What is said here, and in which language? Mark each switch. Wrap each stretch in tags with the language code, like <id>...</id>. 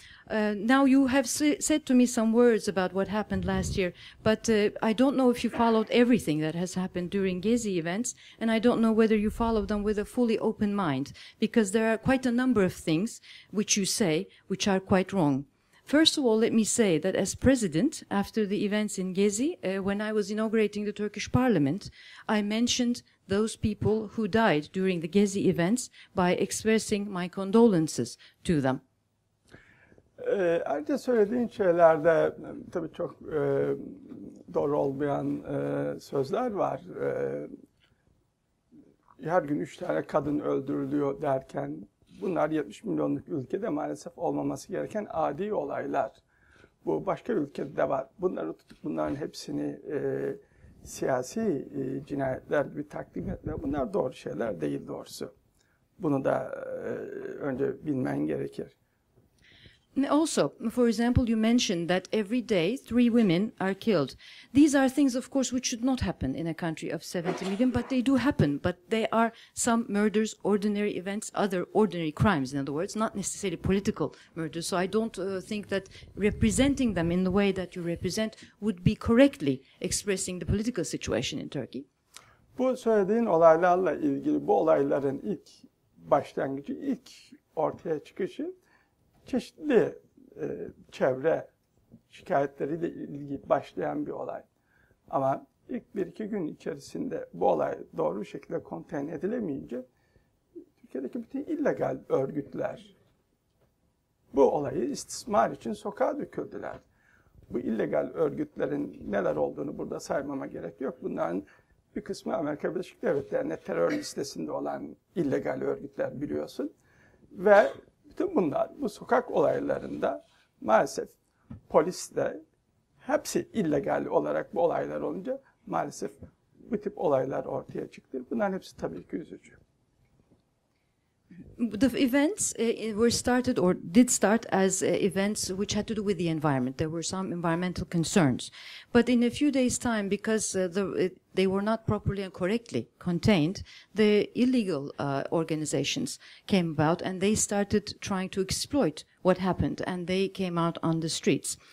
<en>Now, you have said to me some words about what happened last year, but I don't know if you followed everything that has happened during Gezi events, and I don't know whether you followed them with a fully open mind, because there are quite a number of things which you say which are quite wrong. First of all, let me say that as president, after the events in Gezi, when I was inaugurating the Turkish parliament, I mentioned those people who died during the Gezi events by expressing my condolences to them.</en> <tr>Ayrıca söylediğin şeylerde tabii çok doğru olmayan sözler var. Her gün 3 tane kadın öldürülüyor derken, bunlar 70 milyonluk ülkede maalesef olmaması gereken adi olaylar. Bu başka ülkede de var. Bunları tutup bunların hepsini siyasi cinayetler gibi takdim etme, bunlar doğru şeyler değil doğrusu. Bunu da önce bilmen gerekir.</tr> <en>Also, for example, you mentioned that every day 3 women are killed. These are things, of course, which should not happen in a country of 70 million, but they do happen. But they are some murders, ordinary events, other ordinary crimes, in other words, not necessarily political murders. So I don't think that representing them in the way that you represent would be correctly expressing the political situation in Turkey.</en> <tr>Bu söylediğin olaylarla ilgili, bu olayların ilk başlangıcı, ilk ortaya çıkışı, çeşitli çevre şikayetleriyle ilgili başlayan bir olay. Ama ilk 1-2 gün içerisinde bu olay doğru bir şekilde konteyn edilemeyince Türkiye'deki bütün illegal örgütler bu olayı istismar için sokağa döküldüler. Bu illegal örgütlerin neler olduğunu burada saymama gerek yok. Bunların bir kısmı Amerika Birleşik Devletleri'nde terör listesinde olan illegal örgütler biliyorsun. Ve tüm bunlar bu sokak olaylarında maalesef polis de hepsi illegal olarak bu olaylar olunca maalesef bu tip olaylar ortaya çıktı. Bunların hepsi tabii ki üzücü.</tr> <en>The events were started or did start as events which had to do with the environment. There were some environmental concerns. But in a few days' time, because they were not properly and correctly contained, the illegal organizations came about and they started trying to exploit what happened, and they came out on the streets.</en>